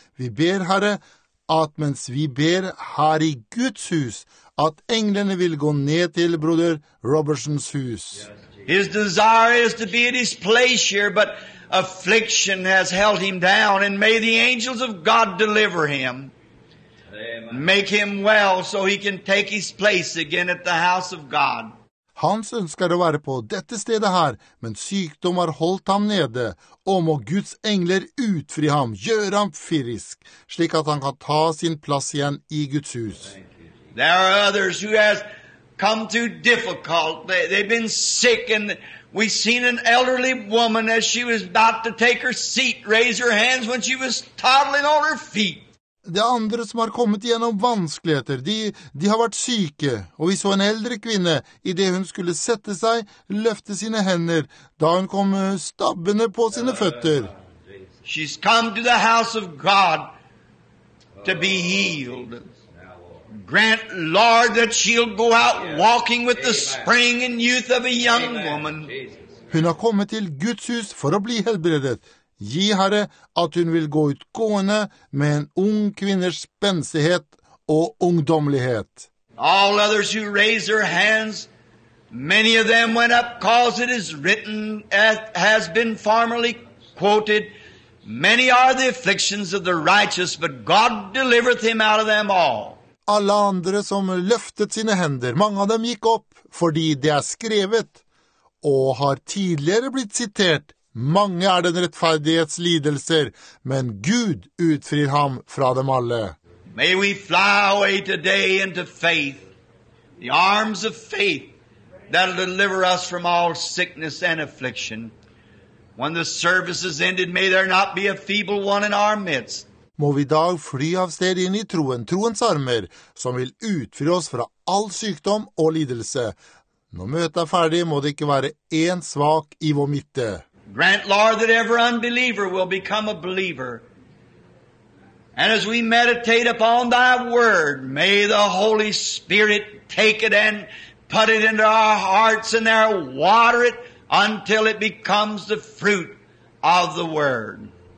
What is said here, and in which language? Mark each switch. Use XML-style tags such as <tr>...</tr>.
<no>Vi ber, Herre, at mens vi ber her I Guds hus, at englene vil gå ned til Broder Robertsons hus.</no> <en>His desire is to be at his place here, but affliction has held him down, and may the angels of God deliver him. Make him well so he can take his place again at the house of God.</en> <no>Hans ønsker å være på dette stedet her, men sykdom har holdt ham nede, og må Guds engler utfri ham, gjøre ham frisk, slik at han kan ta sin plass igjen I Guds hus.</no> <en>There are others who has come through difficult. They've been sick, and we've seen an elderly woman as she was about to take her seat, raise her hands when she was toddling on her feet.</en> <no>Det andre som har kommet igjennom vanskeligheter, de har vært syke, og vi så en eldre kvinne I det hun skulle sette seg, løfte sine hender, da hun kom stabbende på sine føtter.</no> <en>She's come to the house of God to be healed. Grant, Lord, that she'll go out walking with the spring and youth of a young woman.</en> <no>Hun har kommet til Guds hus for å bli helbredet. Gi, Herre, at hun vil gå ut gående med en ung kvinners spensighet og ungdomlighet.</no> <en>All others who raised their hands, many of them went up, cause it is written, as has been formerly quoted, many are the afflictions of the righteous, but God delivereth him out of them all.</en> <no>Alle andre som løftet sine hender, mange av dem gikk opp, fordi det skrevet, og har tidligere blitt sitert, Mange den rettferdighets lidelser, men Gud utfrir ham fra dem alle.</no> <en>May we fly away today into faith, the arms of faith that'll deliver us from all sickness and affliction. When the service is ended, may there not be a feeble one in our midst.</en> <no>Må vi I dag fly av sted inn I troen, troens armer, som vil utfri oss fra all sykdom og lidelse. Når møtet ferdig, må det ikke være en svak I vår midte.</no> <en>Grant, Lord, that every unbeliever will become a believer. And as we meditate upon thy word, may the Holy Spirit take it and put it into our hearts and there water it until it becomes the fruit of the word.</en>